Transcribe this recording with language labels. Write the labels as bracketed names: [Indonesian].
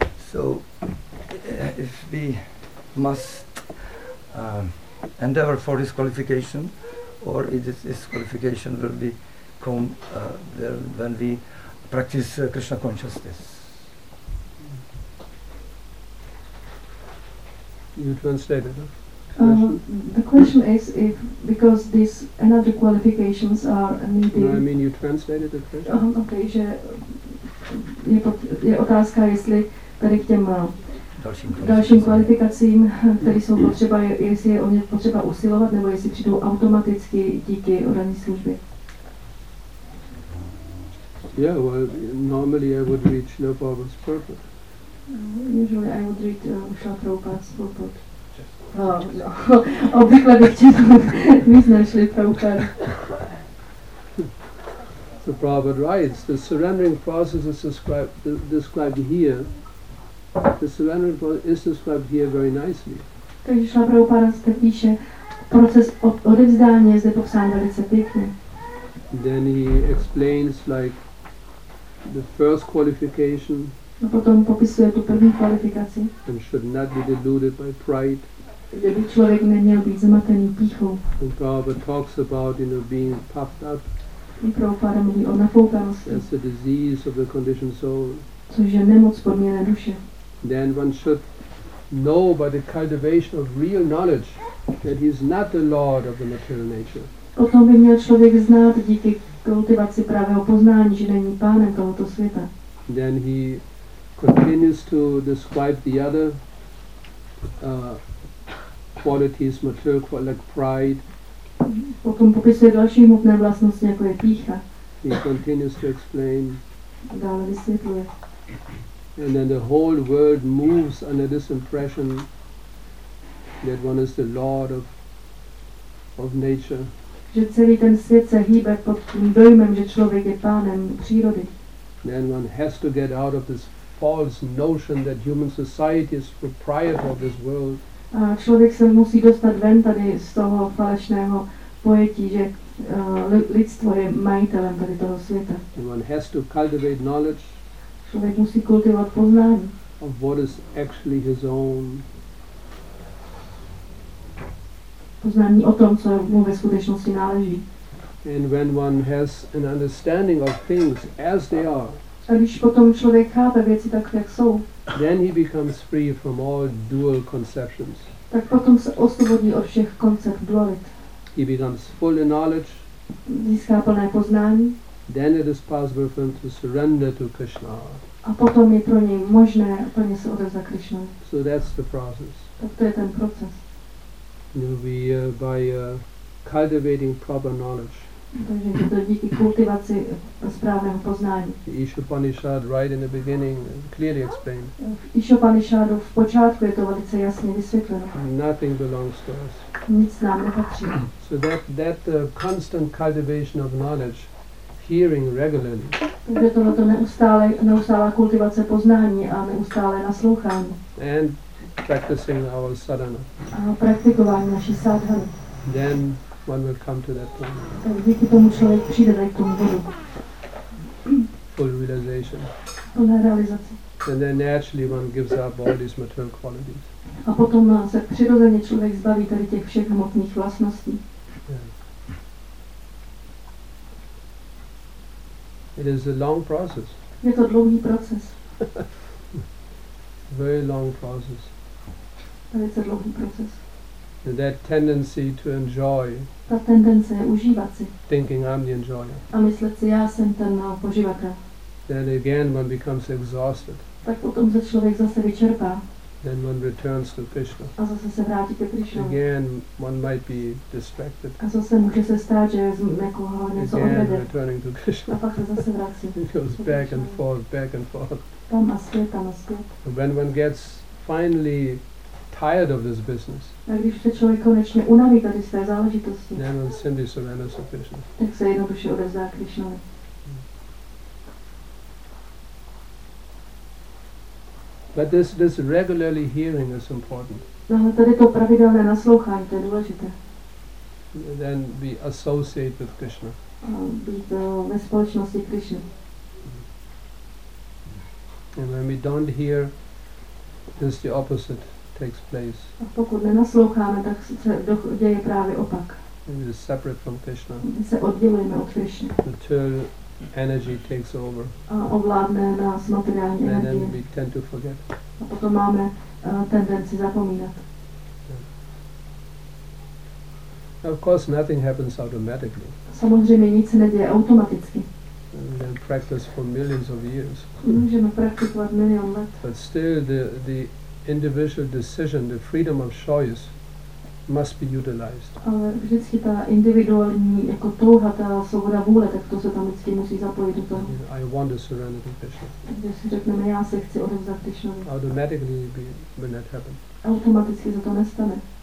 [English] So, if we must endeavor for this qualification, or is this qualification will be come when we practice Krishna consciousness. You translated, huh? The question is if, because these another qualifications are needed. No, I mean you translated the question. [Czech] Okay, že je, je otázka, jestli tady k těm dalším kvalifikacím, které jsou potřeba, jestli je o ně potřeba usilovat, nebo jestli přijdou automaticky díky oddané službě. [English] Yeah, well, normally I would reach no Prabhupada's purport. Usually I would reach Srila Prabhupada's purport. [Czech] No, obvykle bych chtěl, víc než Srila Prabhupada. [English] So Prabhupada writes, the surrendering process is described here. The surrendering process is described here very nicely. [Czech] Takže Srila Prabhupada zde píše, proces odevzdání je zde popsán velice pěkně. [English] Then he explains like, the first qualification. [Czech] No, potom popisuje tu první kvalifikaci. [English] And should not be deluded by pride. [Czech] Že by člověk neměl být zmatený pýchou. [English] And Prabhupada talks about, you know, being puffed up. [Czech] I Prabhupada mluví o nafoukanosti. [English] As a disease of the conditioned soul. [Czech] Což je nemoc podměrné duše. [English] Then one should know by the cultivation of real knowledge that he is not the lord of the material nature. [Czech] Potom by měl člověk znát díky kultivaci pravého poznání, že není pánem tohoto světa. [English] Then he continues to describe the other qualities, material, like pride. [Czech] Potom popisuje další hmotné vlastnosti, jako je pýcha. [English] He continues to explain. [Czech] Dále vysvětluje. [English] And then the whole world moves under this impression that one is the lord of nature. [Czech] Že celý ten svět se hýbe pod tím dojmem, že člověk je pánem přírody. [English] Then one has to get out of this false notion that human society is proprietor of this world. [Czech] A člověk se musí dostat ven tady z toho falešného pojetí, že lidstvo je majitelem tady toho světa. [English] And one has to cultivate knowledge. [Czech] Člověk musí kultivovat poznání. [English] Of what is actually his own. [Czech] Poznání o tom, co mu ve skutečnosti náleží. [English] And when one has an understanding of things as they are. [Czech] A když potom člověk chápe věci tak, jak jsou. [English] Then he becomes free from all dual conceptions. [Czech] Tak potom se osvobodí od všech koncept dualit. [English] He becomes full in knowledge. [Czech] Získá plné poznání. [English] Then it is possible for him to surrender to Krishna. [Czech] A potom je pro něj možné plně se odevzdat Krishna. [English] So that's the process. [Czech] Tak to je ten proces. [English] You know, we by cultivating proper knowledge. [Czech] Takže to díky kultivaci správného poznání. [English] Ishopanishad right in the beginning clearly explained. [Czech] Ishopanishadu v počátku je to velice jasně vysvětleno. [English] Nothing belongs to us. [Czech] Nic nám nepatří. [English] So that constant cultivation of knowledge, hearing regularly. [Czech] Takže tohoto neustále kultivace poznání a neustále naslouchání. [English] And practicing our sadhana. [Czech] A praktikování naší sadhany. [English] Then one will come to that point. [Czech] Tak díky tomu člověk přijde k tomu bodu. [English] Full realization. [Czech] Plná realizace. [English] And then naturally one gives up all these material qualities. [Czech] A potom se přirozeně člověk zbaví tady těch všech hmotných vlastností. [English] It is a long process. [Czech] Je to dlouhý proces. [English] Very long process. [Czech] Velice dlouhý proces. [English] That tendency to enjoy. [Czech] Ta tendence užívat si. [English] Thinking I'm the enjoyer. [Czech] A myslet si, já jsem ten poživatel. [English] then again one becomes exhausted. [Czech] Tak potom se člověk zase vyčerpá. [English] Then one returns to Krishna. [Czech] A zase se vrátí ke Krishna. [English] Again one might be distracted. [Czech] A zase může se stát, že někoho něco odvede. [English] Again returning to Krishna. [Czech] A pak se zase vrací. [English] It goes back and forth, back and forth. [Czech] Tam a zpět, tam a zpět. [English] When one gets finally tired of this business. [Czech] A když se člověk konečně unaví tady své záležitosti. [English] Then one simply surrenders to Krishna. [Czech] Tak se jednoduše odevzdá Krishnovi. [English] But this regularly hearing is important. [Czech] No, tady to pravidelné naslouchání, to je důležité. [English] Then we associate with Krishna. [Czech] Být ve společnosti Krishna. [English] And when we don't hear, this the opposite takes place. [Czech] A pokud nenasloucháme, tak se děje právě opak. [English] And we're separate from Krishna. [Czech] Se oddělujeme od Krishna. [English] Energy takes over. [Czech] Ovládne nás materiální energie. [English] And then we tend to forget. [Czech] A potom máme tendenci zapomínat. [English] Yeah. Of course, nothing happens automatically. [Czech] Samozřejmě nic se neděje automaticky. [English] And then practice for millions of years. [Czech] Můžeme praktikovat milion let. [English] But still, the individual decision, the freedom of choice, must be utilized. [Czech] Ale vždycky ta individuální jako touha, ta svoboda vůle, tak to se tam vždycky musí zapojit do toho. [English] I want to surrender to Krishna. [Czech] Když si řekneme, já se chci odevzdat Krishnovi. [English] Automatically will not happen. [Czech] Automaticky se to nestane.